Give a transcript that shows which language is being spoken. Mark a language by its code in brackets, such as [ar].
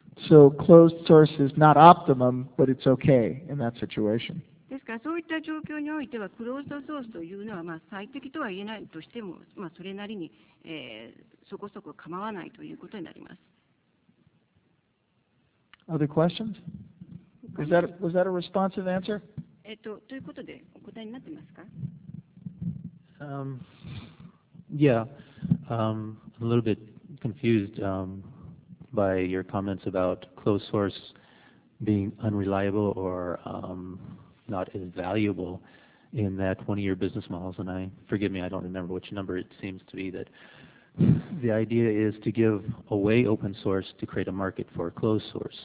[en] So closed source is not optimum, but it's okay in that situation. [ja] ですからそういった状況においては、クローズドソースというのは最適とは言えないとしても、それなりにそこそこ構わないということになります。 [en] Other questions? Was that a responsive answer? [ja] ということで、お答えになってますか? [en] A little bit confused by your comments about closed source being unreliable or... not as valuable in that 20-year business models, and I don't remember which number it seems to be, that the idea is to give away open source to create a market for closed source.